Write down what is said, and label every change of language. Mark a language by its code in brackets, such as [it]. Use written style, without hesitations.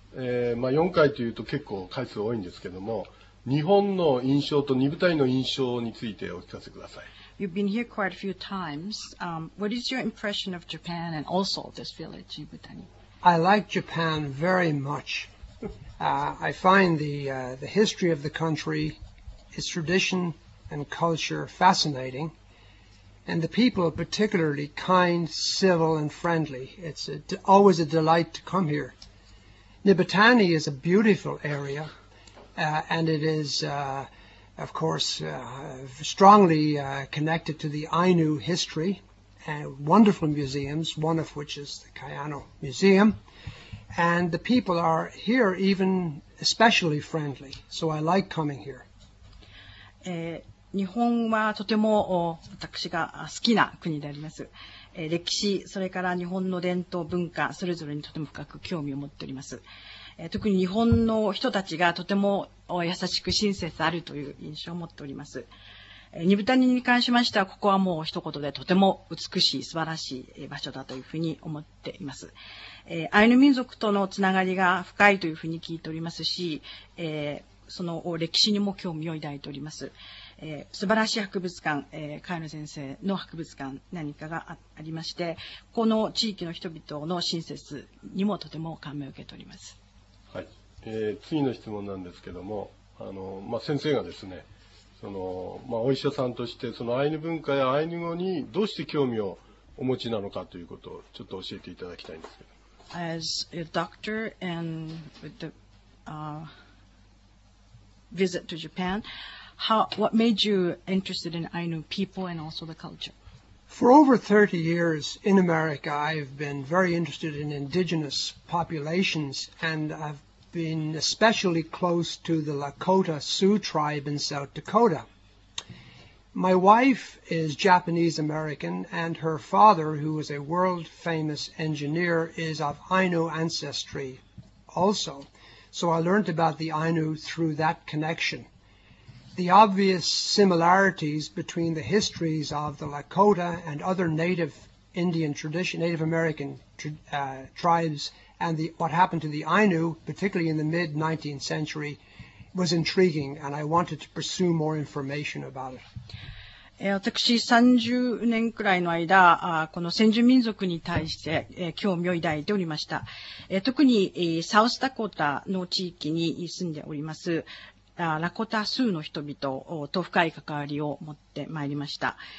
[ja] まあ、4回というと結構回数多いんですけども、日本の印象と二部隊の印象についてお聞かせください。 [en] You've been here quite a few times. What is your impression of Japan and also this village, Nibutani? I like Japan very much. I find the history of the country, its tradition and culture fascinating. And the people are particularly kind, civil, and friendly. It's always a delight to come here. Nibutani is a beautiful area, and it is, of course, strongly connected to the Ainu history, and wonderful museums, one of which is the Kayano Museum. And the people are here even especially friendly, so I like coming here. [ja] 日本はとても私が好きな国であります。歴史、それから日本の伝統文化、それぞれにとても深く興味を持っております。特に日本の人たちがとても優しく親切あるという印象を持っております。ニブタニに関しましては、ここはもう一言でとても美しい、素晴らしい場所だというふうに思っています。アイヌ民族とのつながりが深いというふうに聞いておりますし、その歴史にも興味を抱いております。素晴らしい博物館、萱野先生の博物館何かが ありまして、この地域の人々の親切にもとても感銘を受けております。はい。次の質問なんですけども、まあ、先生がですね、まあ、お医者さんとしてそのアイヌ文化やアイヌ語にどうして興味をお持ちなのかということをちょっと教えていただきたいんですけど。 [en] As a doctor and with the visit to Japan, what made you interested in Ainu people and also the culture? For over 30 years in America, I've been very interested in indigenous populations, and I've been especially close to the Lakota Sioux tribe in South Dakota. My wife is Japanese American, and her father, who is a world famous engineer, is of Ainu ancestry also. So I learned about the Ainu through that connection. The obvious similarities between the histories of the Lakota and other Native Indian tradition, Native American tribes, and what happened to the Ainu, particularly in the mid-19th century, was intriguing, and I wanted to pursue more information about it. [ja] 私30年くらいの間、この先住民族に対して興味を抱いておりました。特にサウスダコタの地域に住んでおります。ラコタスーの人々と深い関わりを持ってまいりました。